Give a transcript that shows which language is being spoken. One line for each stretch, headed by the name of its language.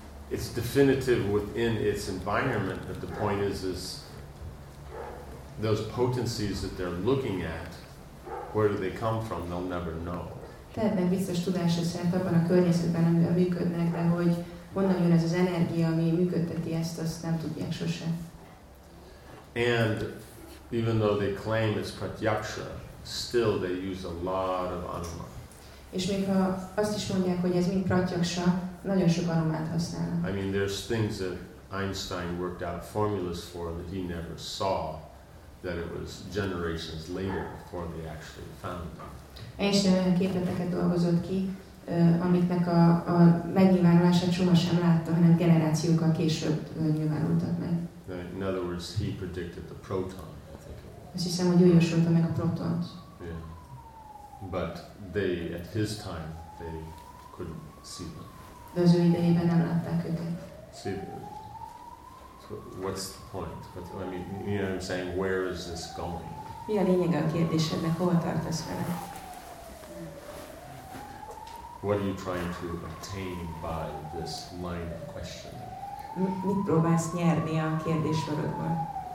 English: It's definitive within its environment, but the point is those potencies that they're looking at, where do they come from? They'll never know.
Hungarian: Tehát nem biztos tudása szerint abban a környezetben, amiben működnek, de hogy honnan jön ez az energia, ami működteti ezt, azt nem tudják sose.
English: And even though they claim it's pratyaksha, still they use a lot of anuma.
Hungarian: És még ha azt is mondják, hogy ez mind pratyaksha, nagyon sok anumát használnak.
English: I mean, there's things that Einstein worked out formulas for that he never saw, that it was generations later before they actually found them.
Hungarian: Einstein olyan képleteket dolgozott ki, amiknek a megnyilvánulását soha sem látta, hanem generációkkal később nyilvánultak meg.
English: In other words, he predicted the proton, I think.
Hungarian: Azt hiszem, hogy ő jósolta meg a protont.
English: Yeah. But they, at his time, they couldn't see them.
Hungarian: De az ő idejében nem látták őket.
English: See, what's the point? But, I mean, you know what I'm saying, where is this going?
Hungarian: Mi a lényeg a kérdésednek, hova tartasz vele?
English: What are you trying to obtain by this line of questioning?
Hungarian: Mit próbálsz nyerni a kérdéssorodban?